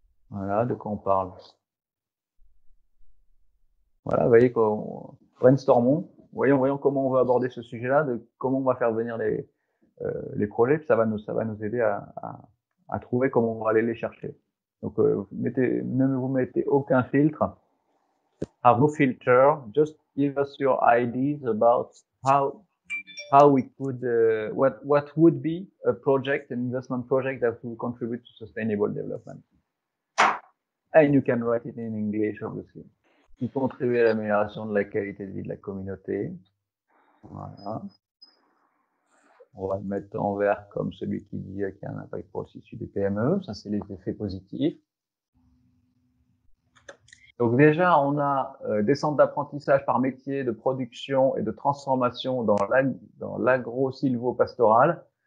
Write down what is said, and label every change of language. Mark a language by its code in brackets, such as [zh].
[fr] Voilà, de quoi on parle. Voilà, vous voyez qu'on brainstormons. Voyons comment on va aborder ce sujet-là, de comment on va faire venir les projets. Puis ça va nous aider à trouver comment on va aller les chercher. Donc, ne vous mettez aucun filtre. [en] Have no filter, just give us your ideas about how we could what would be a project, an investment project that would contribute to sustainable development. And you can write it in English, obviously. [fr] Qui contribue à l'amélioration de la qualité de vie de la communauté. Voilà. On va le mettre en vert comme celui qui dit qu'il y a un impact pour le tissu des PME. Ça, c'est les effets positifs. Donc déjà, on a des centres d'apprentissage par métier de production et de transformation dans l'agro-sylvopastoral.